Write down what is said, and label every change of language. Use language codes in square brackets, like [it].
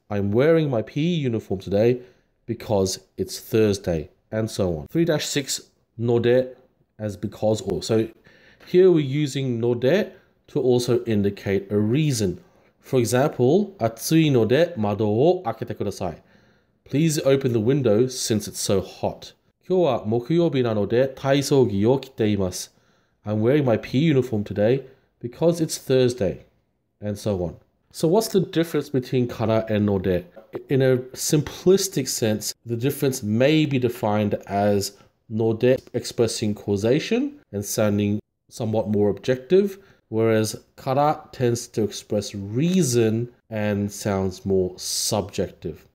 [en] I'm wearing my PE uniform today because it's Thursday. And so on. 3-6, node, as because or. So here we're using node to also indicate a reason. [ja] For example, atsui node mado wo akete kudasai. [en] Please open the window since it's so hot. [ja] 今日は木曜日なので体操着を着ています。 [en] I'm wearing my PE uniform today because it's Thursday. And so on. So what's the difference between kara and node? In a simplistic sense, the difference may be defined as nor depth, expressing causation and sounding somewhat more objective, whereas kara tends to express reason and sounds more subjective.